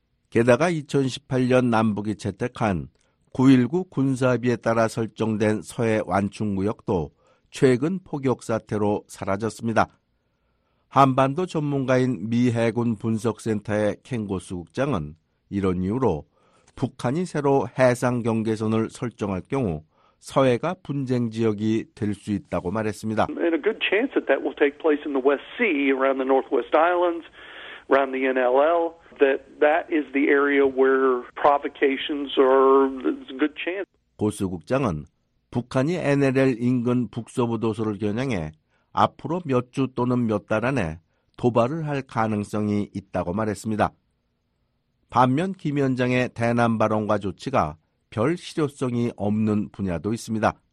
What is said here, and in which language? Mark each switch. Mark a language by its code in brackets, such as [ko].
[ko] 게다가 2018년 남북이 채택한 9.19 군사합의에 따라 설정된 서해 완충구역도 최근 폭격 사태로 사라졌습니다. 한반도 전문가인 미 해군 분석센터의 켄고수 국장은 이런 이유로 북한이 새로 해상 경계선을 설정할 경우 서해가 분쟁 지역이 될 수 있다고 말했습니다. [en] And a good chance that that will take place in the West Sea around the Northwest Islands. Around the NLL, that is the area where provocations are a good chance. [ko] 고수 국장은 북한이 NLL 인근 북서부 도서를 겨냥해 앞으로 몇 주 또는 몇 달 안에 도발을 할 가능성이 있다고 말했습니다. 반면 김 위원장의 대남 발언과 조치가 별 실효성이 없는 분야도 있습니다.